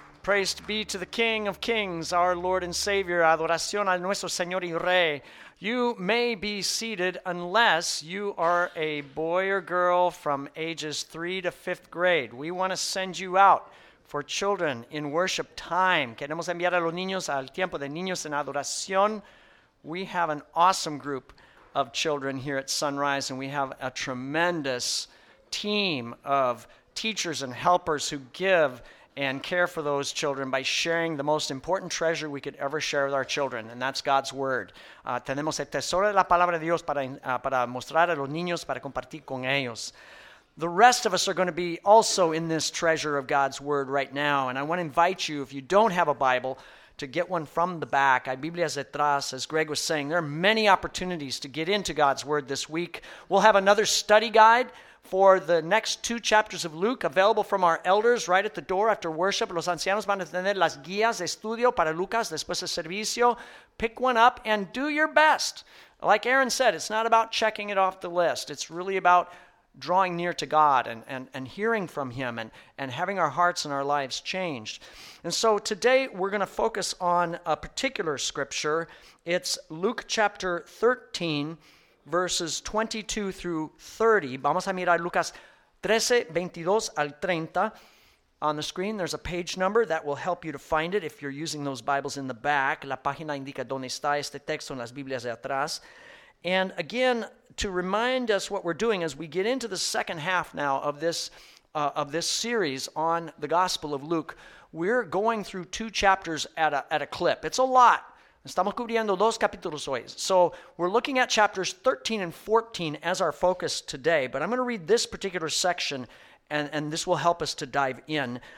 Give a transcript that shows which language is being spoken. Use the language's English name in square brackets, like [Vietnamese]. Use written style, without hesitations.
[English] Praise be to the King of Kings, our Lord and Savior. [Spanish] Adoración a nuestro Señor y Rey. [English] You may be seated unless you are a boy or girl from ages 3 to 5th grade. We want to send you out for children in worship time. [Spanish] Queremos enviar a los niños al tiempo de niños en adoración. [English] We have an awesome group of children here at Sunrise, and we have a tremendous team of teachers and helpers who give and care for those children by sharing the most important treasure we could ever share with our children, and that's God's Word. [Spanish] Tenemos el tesoro de la palabra de Dios para mostrar a los niños, para compartir con ellos. [English] The rest of us are going to be also in this treasure of God's Word right now, and I want to invite you, if you don't have a Bible, to get one from the back. [Spanish] Hay Biblias detrás, [English] as Greg was saying. There are many opportunities to get into God's Word this week. We'll have another study guide for the next two chapters of Luke available from our elders right at the door after worship. [Spanish] Los ancianos van a tener las guías de estudio para Lucas después del servicio. [English] Pick one up and do your best. Like Aaron said, it's not about checking it off the list. It's really about drawing near to God and hearing from Him and having our hearts and our lives changed. And so today we're going to focus on a particular scripture. It's Luke chapter 13, verses 22 through 30. [Spanish] Vamos a mirar Lucas 13, 22 al 30. [English] On the screen, there's a page number that will help you to find it if you're using those Bibles in the back. [Spanish] La página indica dónde está este texto en las Biblias de atrás. [English] And again, to remind us what we're doing as we get into the second half now of this series on the Gospel of Luke, we're going through two chapters at a clip. It's a lot. [Spanish] Estamos cubriendo dos capítulos hoy. [English] So we're looking at chapters 13 and 14 as our focus today, but I'm going to read this particular section, and this will help us to dive in.